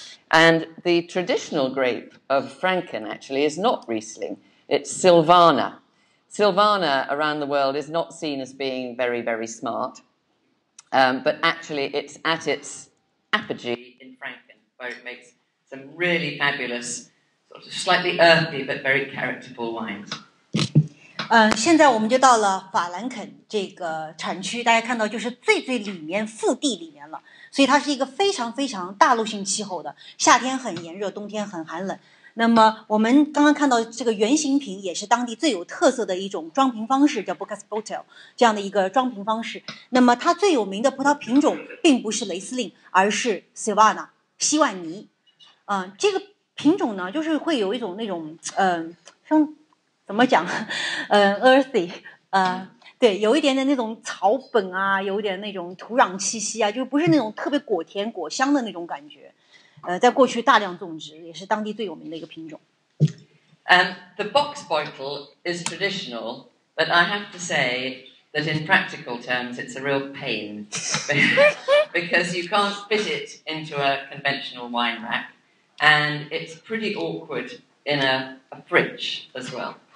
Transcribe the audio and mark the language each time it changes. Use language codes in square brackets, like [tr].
[en] And the traditional grape of Franken actually is not Riesling, it's Silvana. Silvana around the world is not seen as being very, very smart, but actually it's at its apogee in Franken, where it makes some really fabulous sort of slightly earthy but very characterful wines. [zh] 现在我们就到了法兰肯这个产区，大家看到就是最最里面腹地里面了，所以它是一个非常非常大陆性气候的，夏天很炎热，冬天很寒冷。那么我们刚刚看到这个圆形瓶也是当地最有特色的一种装瓶方式，叫 Bocas Bottle 这样的一个装瓶方式。那么它最有名的葡萄品种并不是雷司令，而是 Sivana 西万尼。这个品种呢就是会有一种那种像怎么讲earthy 对，有一点的那种草本啊，有一点那种土壤气息啊，就不是那种特别果甜果香的那种感觉。在过去大量种植，也是当地最有名的一个品种。 [en] The box bottle is traditional, but I have to say that in practical terms, it's a real pain because you can't fit it into a conventional wine rack, and it's pretty awkward in a fridge as well.